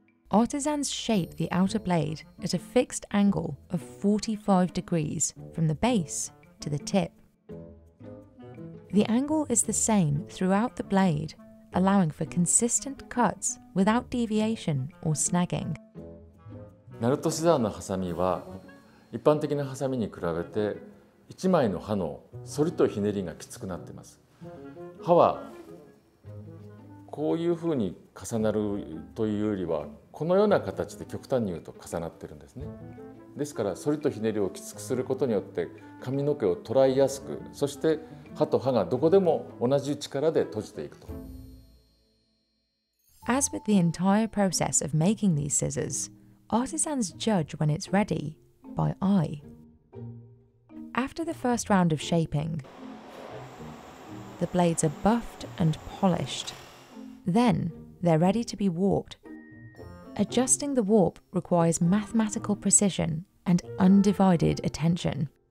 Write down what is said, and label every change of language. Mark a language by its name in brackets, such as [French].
[English] Artisans shape the outer blade at a fixed angle of 45 degrees from the base to the tip. The angle is the same throughout the blade, allowing for consistent cuts without deviation or snagging. [Japanese] ナルトシザーのハサミは一般的なハサミに比べて 1枚の刃の反りとひねりがきつくなっています。刃はこういうふうに重なるというよりはこのような形で極端に言うと重なっているんですね。ですから反りとひねりをきつくすることによって髪の毛を捉えやすく、そして歯と歯がどこでも同じ力で閉じていくと。 [English] As with the entire process of making these scissors, artisans judge when it's ready by eye. After the first round of shaping, the blades are buffed and polished. Then they're ready to be warped. Adjusting the warp requires mathematical precision and undivided attention.